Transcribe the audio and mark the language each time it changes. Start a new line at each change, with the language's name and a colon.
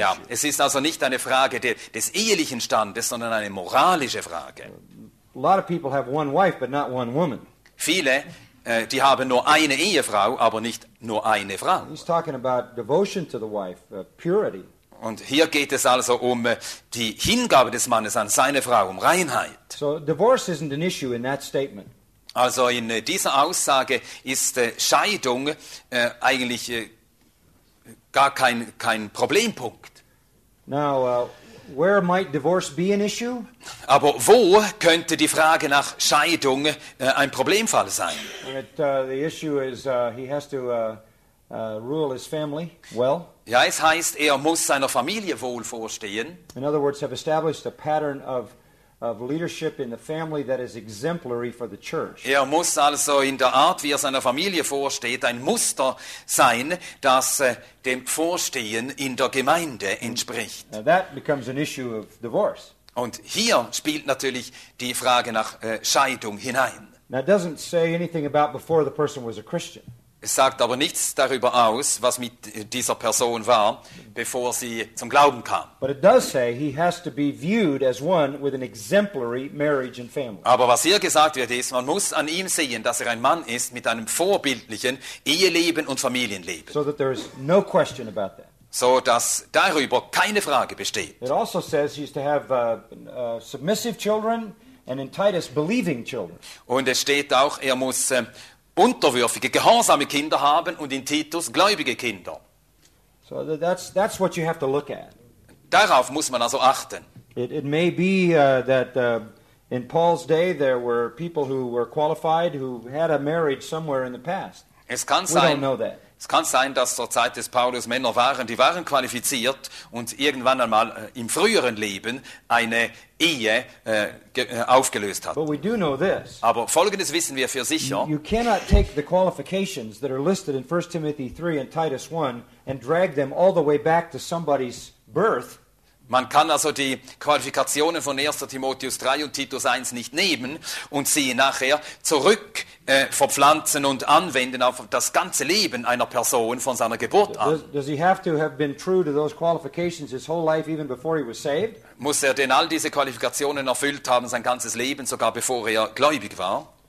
German: Ja, es ist also nicht eine Frage des ehelichen Standes, sondern eine moralische Frage.
English: A lot of people have one wife, but not one woman.
German: Viele, die haben nur eine Ehefrau, aber nicht nur eine Frau.
English: He's talking about devotion to the wife, purity.
German: Und hier geht es also um die Hingabe des Mannes an seine Frau, um Reinheit.
English: So divorce isn't an issue in that statement.
German: Also in dieser Aussage ist Scheidung eigentlich gar kein Problempunkt.
English: Now, where might divorce be an issue?
German: Aber wo könnte die Frage nach Scheidung ein Problemfall sein?
English: The issue is he has to rule his family well.
German: Ja, es heißt, er muss seiner Familie wohl vorstehen.
English: In other words, have established a pattern of leadership in the family that is exemplary for the church.
German: Er muss also in der Art, wie er seiner Familie vorsteht, ein Muster sein, das dem Vorstehen in der Gemeinde entspricht.
English: Now that becomes an issue of divorce.
German: Und hier spielt natürlich die Frage nach Scheidung hinein.
English: Now it doesn't say anything about before the person was a Christian.
German: Es sagt aber nichts darüber aus, was mit dieser Person war, bevor sie zum Glauben kam.
English: But it does say he has to be viewed as one with an exemplary marriage and family.
German: Aber was hier gesagt wird, ist, man muss an ihm sehen, dass er ein Mann ist mit einem vorbildlichen Eheleben und Familienleben.
English: So that there is no question about that.
German: So dass darüber keine Frage besteht.
English: It also says he's to have submissive children and in Titus believing children.
German: Und es steht auch, er muss unterwürfige, gehorsame Kinder haben und in Titus gläubige Kinder.
English: So that's what you have to look at.
German: Darauf muss man also achten.
English: It may be that in Paul's day there were people who were qualified who had a marriage somewhere in the past.
German: Es kann sein,
English: we don't know that.
German: Es kann sein, dass zur Zeit des Paulus Männer waren, die waren qualifiziert und irgendwann einmal im früheren Leben eine Ehe aufgelöst hat.
English: But we do know this.
German: Aber Folgendes wissen wir für sicher.
English: You cannot take the qualifications that are listed in 1 Timothy 3 and Titus 1 and drag them all the way back to somebody's birth.
German: Man kann also die Qualifikationen von 1. Timotheus 3 und Titus 1 nicht nehmen und sie nachher zurück verpflanzen und anwenden auf das ganze Leben einer Person von seiner Geburt an.
English: Does he have to have been true to those qualifications his whole life even before he was saved?
German: Muss er denn all diese Qualifikationen erfüllt haben sein ganzes Leben, sogar bevor er gläubig war?